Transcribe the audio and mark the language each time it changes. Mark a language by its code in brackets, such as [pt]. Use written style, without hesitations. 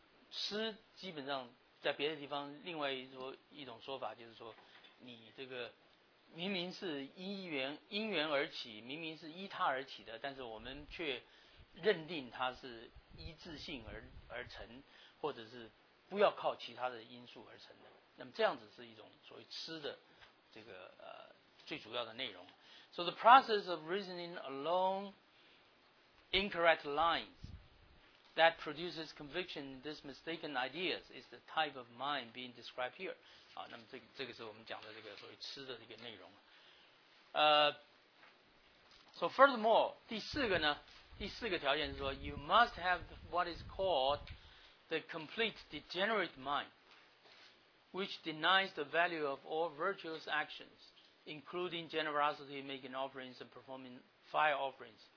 [zh] 痴基本上在别的地方，另外一种说法就是说，你这个明明是因缘而起，明明是依他而起的，但是我们却认定它是依自性而成，或者是不要靠其他的因素而成的。那么这样子是一种所谓痴的这个最主要的内容。 [en] So the process of reasoning along incorrect lines that produces conviction in this mistaken ideas is the type of mind being described here. [zh] 啊，那么这个是我们讲的这个所谓吃的这个内容。 [en] So furthermore, [zh] 第四个条件是说 [en] you must have what is called the complete degenerate mind, which denies the value of all virtuous actions. including generosity, making offerings, and performing fire offerings.